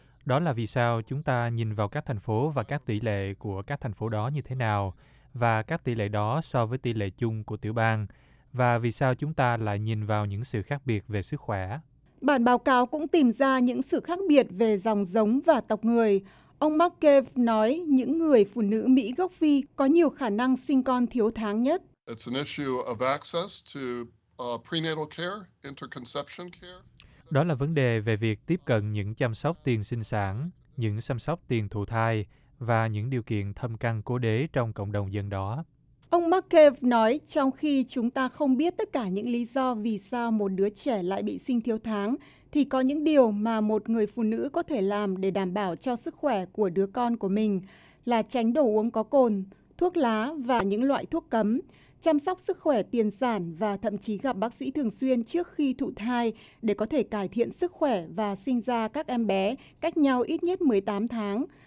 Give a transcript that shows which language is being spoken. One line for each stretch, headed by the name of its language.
Vietnamese: Đó là vì sao chúng ta nhìn vào các thành phố và các tỷ lệ của các thành phố đó như thế nào, và các tỷ lệ đó so với tỷ lệ chung của tiểu bang, và vì sao chúng ta lại nhìn vào những sự khác biệt về sức khỏe. Bản báo cáo cũng tìm ra những sự khác biệt về dòng giống và tộc người. Ông Markev nói những người phụ nữ Mỹ gốc Phi có nhiều khả năng sinh con thiếu tháng nhất.
English: It's an issue of access to prenatal care, interconception care.
Vietnamese: Đó là vấn đề về việc tiếp cận những chăm sóc tiền sinh sản, những chăm sóc tiền thụ thai và những điều kiện thâm căn cố đế trong cộng đồng dân đó. Ông Markev nói trong khi chúng ta không biết tất cả những lý do vì sao một đứa trẻ lại bị sinh thiếu tháng, thì có những điều mà một người phụ nữ có thể làm để đảm bảo cho sức khỏe của đứa con của mình là tránh đồ uống có cồn, thuốc lá và những loại thuốc cấm, chăm sóc sức khỏe tiền sản và thậm chí gặp bác sĩ thường xuyên trước khi thụ thai để có thể cải thiện sức khỏe và sinh ra các em bé cách nhau ít nhất 18 tháng.